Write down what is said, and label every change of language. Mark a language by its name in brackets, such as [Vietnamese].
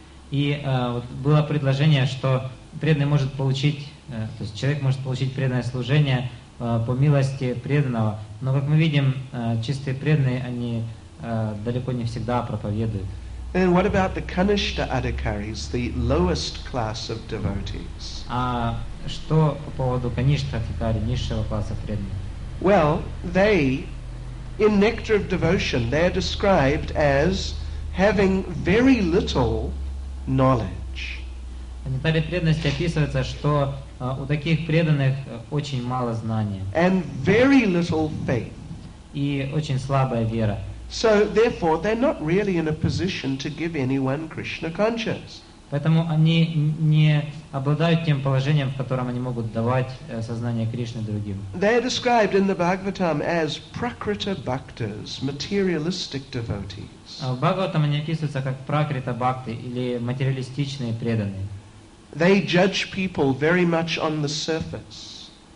[Russian] И вот было предложение, что преданный может получить, то есть человек может получить преданное служение по милости преданного, но как мы видим, чистые преданные, они далеко не всегда проповедуют. [English] And what about the Kanishta Adhikaris, the lowest class of devotees? [Russian] А что по поводу Kanishta Adhikari, низшего класса преданных? [English] Well, they, in Nectar of Devotion, they are described as having very little knowledge. [Russian] В Нектаре преданности описывается, что у таких преданных очень мало знания. [English] And very little faith. [Russian] И очень слабая вера. [English] So therefore, they're not really in a position to give anyone Krishna consciousness. [Russian] Поэтому они не обладают тем положением, в котором они могут давать сознание Кришны другим. [English] They are described in the Bhagavatam as prakrita bhaktas, materialistic devotees. [Russian] В Бхагаватам они описываются как пракрита бхакты или материалистичные преданные. [English] They judge people very much on the surface.